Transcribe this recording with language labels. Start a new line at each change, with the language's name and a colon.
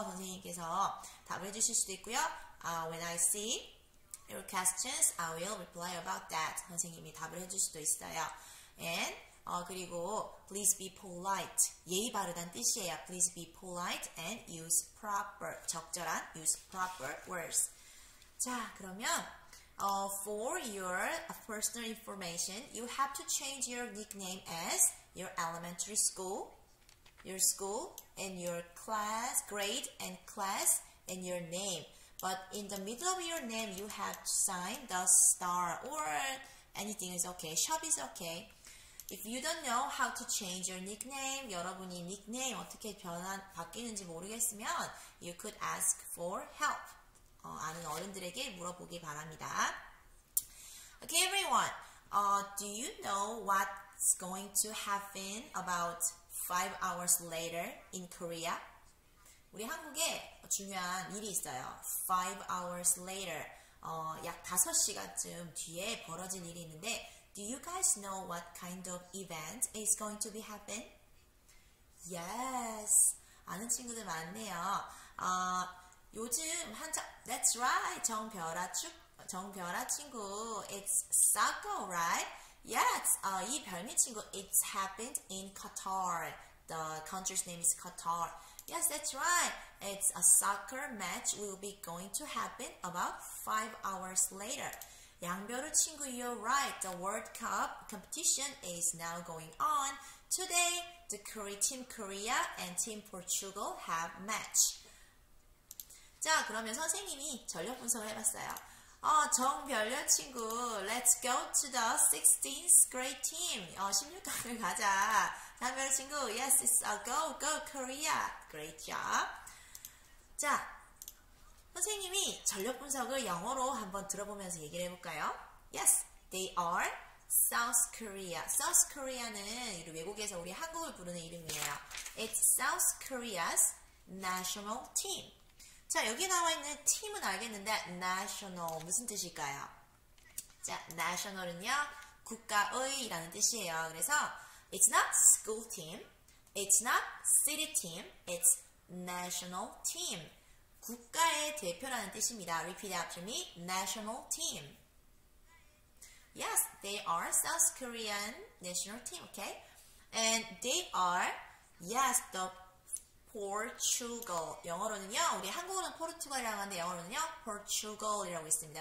Korean: 선생님께서 답을 해주실 수도 있고요.
English: When I see your questions, I will reply about that.
Korean: 선생님이 답을 해줄 수도 있어요.
English: And, 그리고 please be polite.
Korean: 예의 바르다는 뜻이에요.
English: Please be polite and use proper, 적절한 use proper words.
Korean: 자, 그러면
English: for your personal information, you have to change your nickname as your elementary school, your school, and your class, grade, and class, and your name. But in the middle of your name, you have to sign the star or anything is okay. Shop is okay. If you don't know how to change your nickname,
Korean: 여러분이 닉네임 어떻게 바뀌는지 모르겠으면,
English: you could ask for help.
Korean: 아는 어른들에게 물어보기 바랍니다.
English: Okay, everyone. Do you know what's going to happen about 5 hours later in Korea?
Korean: 우리 한국에 중요한 일이 있어요.
English: 5 hours later,
Korean: 약 5시간쯤 뒤에 벌어진 일이 있는데
English: Do you guys know what kind of event is going to be happen?
Korean: Yes, 아는 친구들 많네요. 요즘 한창,
English: That's right,
Korean: 정별아 친구
English: It's soccer, right? Yes, 이 별미 친구 It's happened in Qatar. The country's name is Qatar. Yes, that's right. It's a soccer match will be going to happen about 5 hours later. 양별우 친구, you're right. The World Cup competition is now going on. Today, the Team Korea and Team Portugal have match.
Korean: 자, 그러면 선생님이 전력 분석을 해봤어요.
English: 정별우 친구, let's go to the 16th grade team.
Korean: 16강을 가자.
English: 장별우 친구, yes, it's a go, go Korea. Great job.
Korean: 자, 선생님이 전력 분석을 영어로 한번 들어보면서 얘기를 해볼까요?
English: Yes, they are South Korea. South Korea는
Korean: 외국에서 우리 한국을 부르는 이름이에요.
English: It's South Korea's national team.
Korean: 자, 여기 나와 있는 팀은 알겠는데 national 무슨 뜻일까요? 자, national은요, 국가의라는 뜻이에요.
English: 그래서 It's not school team, it's not city team, it's national team.
Korean: 국가의 대표라는 뜻입니다.
English: Repeat after me, national team. Yes, they are South Korean national team, okay? And they are, yes, the Portugal.
Korean: 영어로는요, 우리 한국어는 포르투갈이라고 하는데 영어로는요, Portugal이라고 있습니다.